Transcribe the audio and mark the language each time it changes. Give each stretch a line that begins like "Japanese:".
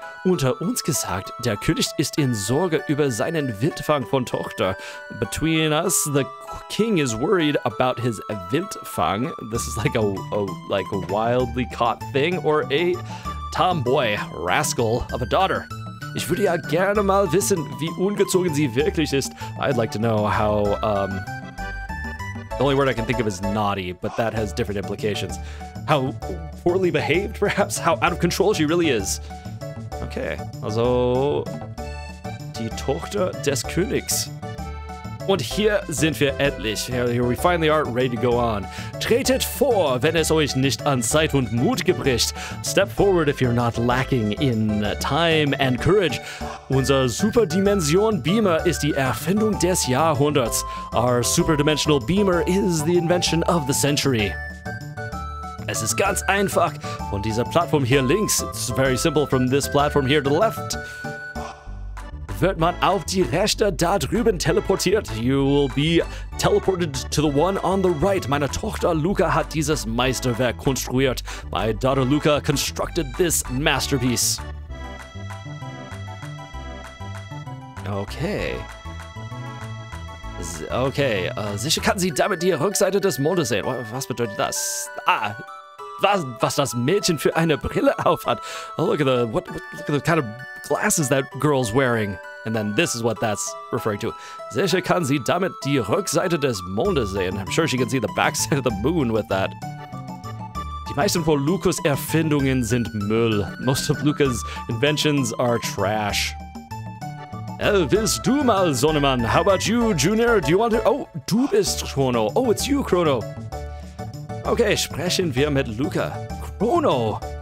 German: Unter uns gesagt, der König ist in Sorge über seinen Wildfang von Tochter.
English: Between us, the king is worried about his Wildfang. This is like a wildly caught thing. Or a tomboy, rascal of a daughter.
German: Ich würde ja gerne mal wissen, wie ungezogen sie wirklich ist.
English: I'd like to know how, the only word I can think of is naughty, but that has different implications. How poorly behaved, perhaps? How out of control she really is?
German: Okay, also die Tochter des Königs. Und hier sind wir endlich.
English: Here we finally are ready to go on.
German: Tretet vor, wenn es euch nicht an Zeit und Mut gebricht.
English: Step forward if you're not lacking in time and courage.
German: Unser Superdimension Beamer ist die Erfindung des Jahrhunderts.
English: Our Superdimensional Beamer is the invention of the century.
German: Es ist ganz einfach. Von dieser Plattform hier links,
English: it's very simple, from this platform here to the left,
German: wird man auf die rechte da drüben teleportiert.
English: You will be teleported to the one on the right.
German: Meine Tochter Luca hat dieses Meisterwerk konstruiert.
English: My daughter Luca constructed this masterpiece. Okay. Okay.
German: Sicher kann sie damit die Rückseite des Mondes sehen. Was bedeutet das? Ah! Was das Mädchen für eine Brille auf hat.
English: Oh, look at the look at the kind of glasses that girl's wearing. And then this is what that's referring to.
German: Sicher kann sie damit die Rückseite des Mondes sehen.
English: I'm sure she can see the backside of the moon with that.
German: Die meisten von Lukas Erfindungen sind Müll.
English: Most of Lukas' inventions are trash. Elvis,
German: du mal,
English: Sonnemann. How about you, Junior? Do you want to...
German: Oh, du bist Chrono.
English: Oh, it's you, Chrono.
German: Okay, sprechen wir mit Luca. Chrono!